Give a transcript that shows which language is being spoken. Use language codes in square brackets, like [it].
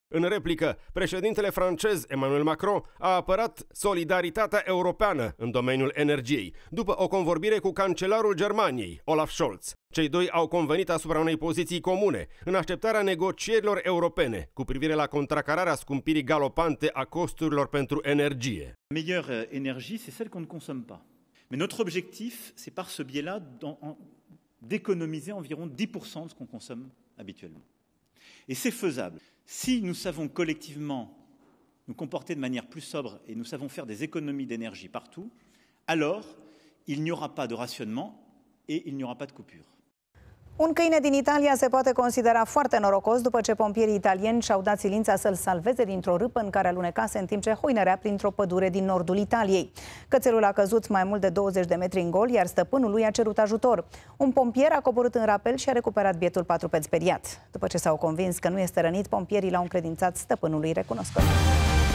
[ro] În replică, președintele francez Emmanuel Macron a apărat solidaritatea europeană în domeniul energiei, după o convorbire cu cancelarul Germaniei, Olaf Scholz. Cei doi au convenit asupra unei poziții comune, în așteptarea negocierilor europene cu privire la contracararea scumpirii galopante a costurilor pentru energie. [fr] La meilleure énergie, c'est celle qu'on ne consomme pas. Mais notre objectif, c'est par ce biais-là d'économiser environ 10% de ce qu'on consomme habituellement. Et c'est faisable. Si nous savons collectivement nous comporter de manière plus sobre et nous savons faire des économies d'énergie partout, alors il n'y aura pas de rationnement et il n'y aura pas de coupure. [ro] Un câine din Italia se poate considera foarte norocos după ce pompierii italieni și-au dat silința să-l salveze dintr-o râpă în care alunecase în timp ce hoinărea printr-o pădure din nordul Italiei. Cățelul a căzut mai mult de 20 de metri în gol, iar stăpânul lui a cerut ajutor. Un pompier a coborât în rapel și a recuperat bietul patruped speriat. După ce s-au convins că nu este rănit, pompierii l-au încredințat stăpânului recunoscător.